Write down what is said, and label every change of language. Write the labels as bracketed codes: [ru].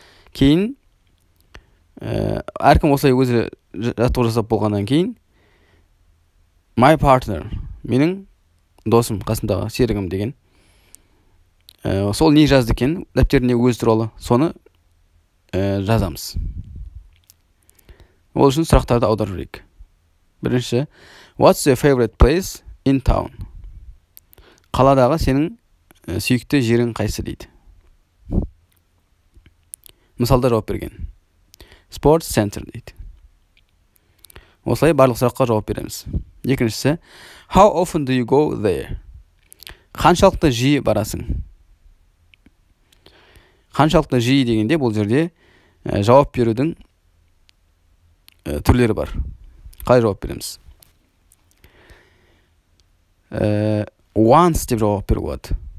[kk] Кейін әркім осылай өзі жаттығу жасап болғаннан кейін [en] my partner, [kk] менің досым, қасымдағы серігім деген. Сол не жазды екен, дәптеріне өз туралы соны жазамыз. Ол үшін сұрақтарды аударып жүрейік. [en] Бірінші, what's your favorite place in town? [kk] Қаладағы сенің сүйікті жерің қайсы дейді. Мысалда жауап берген. [en] Sports center [kk] дейді. Осылай барлық сұраққа жауап береміз. [en] Екіншісі, how often do you go there? [kk] Қаншалықты жиі барасың? Қаншалықты жиі дегенде бұл жерде жауап берудің түрлері бар. Қалай жауап береміз? Once деп жауап беру болады.